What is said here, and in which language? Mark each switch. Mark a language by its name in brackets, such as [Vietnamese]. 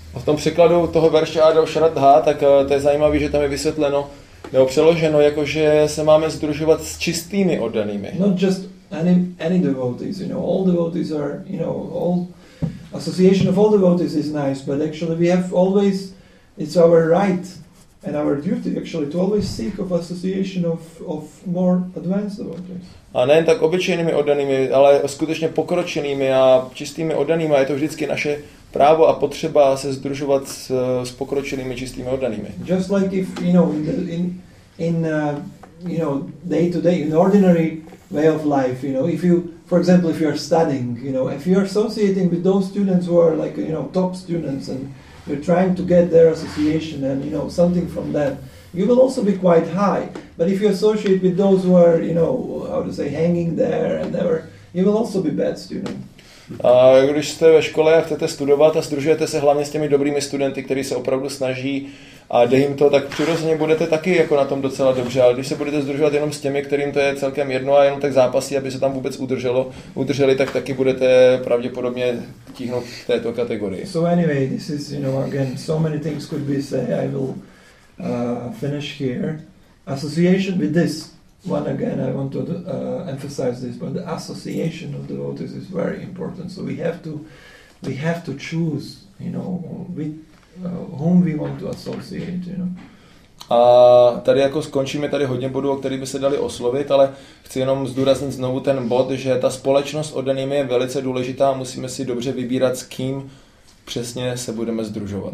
[Czech] A v tom překladu toho verše Adaushada, tak to je zajímavé, že tam je vysvětleno nebo přeloženo, jakože se máme sdružovat s čistými oddanými. [English] Not just any devotees, you know, all devotees are, you know, all association of all devotees is nice, but actually we have always, it's our right and our duty actually to always seek of association of more advanced devotees. [Czech] A nejen tak obyčejnými oddanými, ale skutečně pokročenými a čistými oddanými, a je to vždycky naše právo a potřeba se sdružovat s pokročenými čistými oddanými. [English] Just like if, you know, in you know, day to day, in ordinary way of life, you know, if you, for example, if you are studying, you know, if you are associating with those students who are like, you know, top students and you're trying to get their association and, you know, something from them, you will also be quite high. But if you associate with those who are, you know, how to say, hanging there and never, you will also be bad student. [Czech] A když jste ve škole a chcete studovat a sdružujete se hlavně s těmi dobrými studenty, kteří se opravdu snaží a dej jim to, tak přirozeně budete taky jako na tom docela dobře, ale když se budete sdružovat jenom s těmi, kterým to je celkem jedno a jenom tak zápasí, aby se tam vůbec udrželi, tak taky budete pravděpodobně tíhnout v této kategorii. [English] So anyway, this is, you know, again, so many things could be said, I will finish here. Association with this. One again, I want to emphasize this, but the association of devotees is very important. So we have to choose, you know, with whom we want to associate, you know. [Czech] A tady jako skončíme tady hodně bodů, o kterých by se dali oslovit, ale chci jenom zdůraznit znovu ten bod, že ta společnost oddanými je velice důležitá. Musíme si dobře vybírat, s kým přesně se budeme sdružovat.